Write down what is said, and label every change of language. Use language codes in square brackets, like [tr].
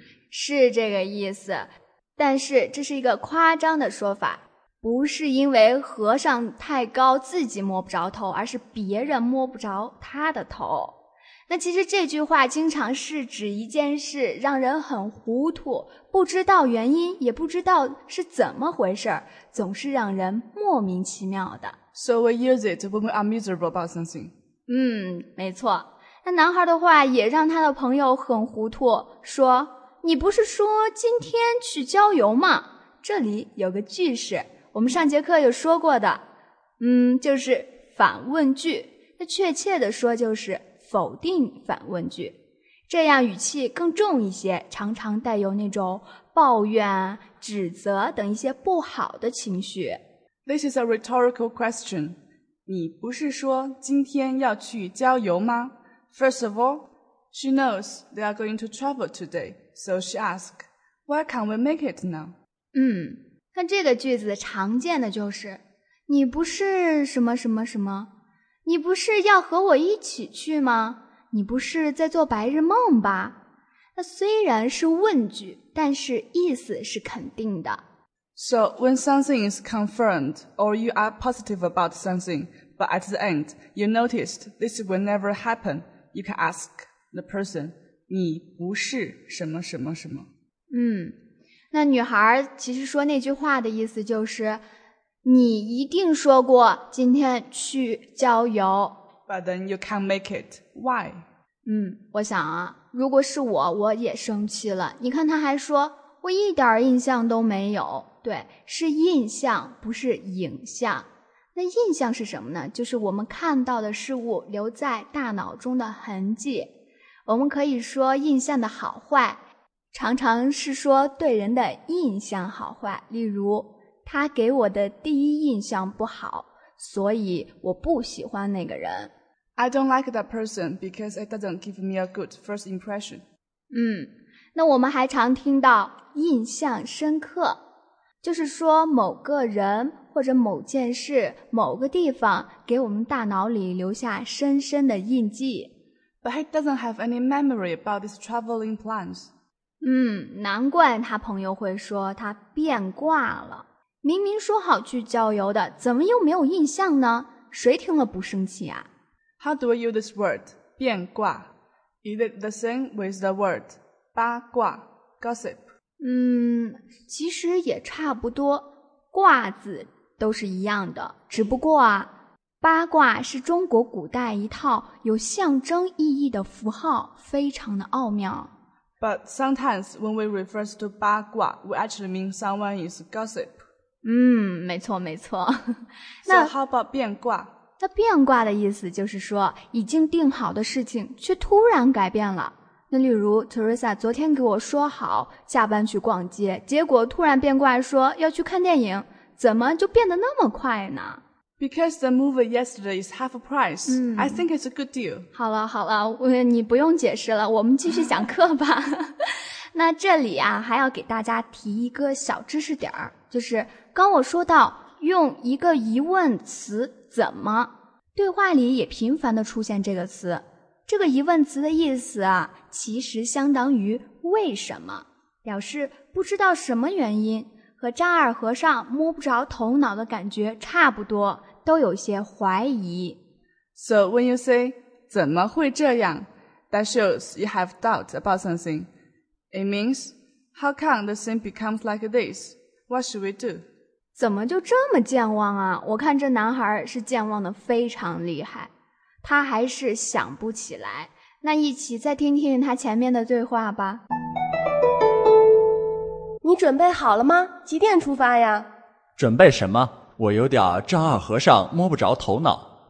[zh] 是这个意思，但是这是一个夸张的说法，不是因为和尚太高自己摸不着头，而是别人摸不着他的头。那其实这句话经常是指一件事让人很糊涂，不知道原因，也不知道是怎么回事，总是让人莫名其妙的。 [en] So we use it when we are miserable about something. [zh] 没错。那男孩的话也让他的朋友很糊涂，说你不是说今天去郊游吗？这里有个句式我们上节课有说过的，就是反问句，那确切的说就是否定反问句，这样语气更重一些，常常带有那种抱怨、指责等一些不好的情绪。 [en] This is a rhetorical question. [zh] 你不是说今天要去郊游吗？ [en] First of all, she knows they are going to travel today, so she asks, why can't we make it now? [zh] 那这个句子常见的就是，你不是什么什么什么，你不是要和我一起去吗？你不是在做白日梦吧？那虽然是问句，但是意思是肯定的。 [en] So when something is confirmed, or you are positive about something, but at the end, you noticed this will never happen, you can ask the person, [zh] 你不是什么什么什么。那女孩其实说那句话的意思就是你一定说过今天去郊游。 [en] But then you can't make it. Why? [zh] 我想啊，如果是我，我也生气了。你看他还说，我一点印象都没有。对，是印象，不是影像。那印象是什么呢？就是我们看到的事物留在大脑中的痕迹。我们可以说印象的好坏，常常是说对人的印象好坏。例如他给我的第一印象不好，所以我不喜欢那个人。 [en] I don't like that person because it doesn't give me a good first impression. [zh] 那我们还常听到印象深刻，就是说某个人或者某件事、某个地方给我们大脑里留下深深的印记。 [en] But he doesn't have any memory about his traveling plans. [zh] 难怪他朋友会说他变卦了。明明说好去郊游的，怎么又没有印象呢？谁听了不生气啊？ [en] How do we use this word, 变卦? Is it the same with the word, 八卦, gossip? [zh] 其实也差不多，卦字都是一样的，只不过啊，八卦是中国古代一套有象征意义的符号，非常的奥妙。 [en] But sometimes when we refer to 八卦 we actually mean someone is gossip. [zh] 嗯，没错没错。 [en] 那 So how about 变卦？ [zh] 那变卦的意思就是说已经定好的事情却突然改变了。那例如 Teresa 昨天给我说好下班去逛街，结果突然变卦说要去看电影，怎么就变得那么快呢？ [en] Because the movie yesterday is half a price. I think it's a good deal. [zh] 好了好了，你不用解释了，我们继续讲课吧。那这里啊还要给大家提一个小知识点，就是刚我说到用一个疑问词怎么，对话里也频繁地出现这个词。这个疑问词的意思啊其实相当于为什么，表示不知道什么原因，和丈二和尚摸不着头脑的感觉差不多，都有些怀疑。 [en] So when you say [zh] 怎么会这样， [en] That shows you have doubt about something. It means How come the thing becomes like this? What should we do? [zh] 怎么就这么健忘啊？我看这男孩是健忘的非常厉害，他还是想不起来。那一起再听听他前面的对话吧。你准备好了吗？几点出发呀？准备什么？我有点丈二和尚摸不着头脑。